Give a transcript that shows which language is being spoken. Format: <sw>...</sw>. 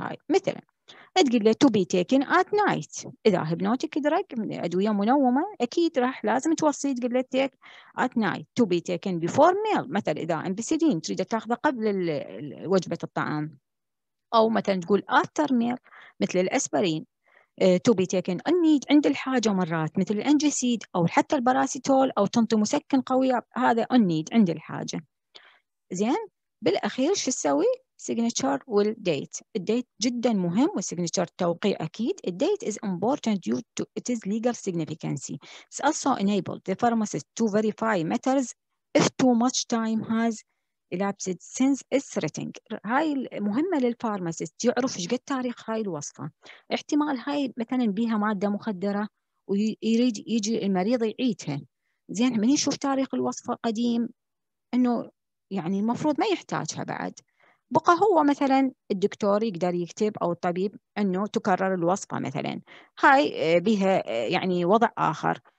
<ar>هاي مثلا تقول له</ar> <en>to be taken at night،</en> <ar>إذا hypnotic drug أدوية منومة أكيد راح لازم توصي تقول له</ar> <en>take at night، to be taken before meal</en> <ar>مثلا إذا ambicillin تريد تأخذه قبل وجبة الطعام، أو مثلا تقول</ar> <en>after meal</en> <ar>مثل الأسبرين،</ar> <en>to be taken</en> <ar>النيد عند الحاجة مرات مثل الأنجسيد أو حتى الباراسيتول، أو تنطي مسكن قوي هذا النيد عند الحاجة. زين بالأخير شو تسوي؟ signature والdate. الdate جدا مهم والsignature توقيع أكيد.</ar> <en>الdate is important due to it is legal significance. It's also enabled the pharmacist to verify matters if too much time has elapsed since its writing.</en> <ar>هاي مهمة للفارماسيست يعرف ايش قد تاريخ هاي الوصفة، احتمال هاي مثلا بيها مادة مخدرة ويريد يجي المريض يعيدها، زين من يشوف تاريخ الوصفة قديم انه يعني المفروض ما يحتاجها بعد، بقى هو مثلا الدكتور يقدر يكتب او الطبيب انه تكرر الوصفة مثلا، هاي بيها يعني وضع اخر.</ar>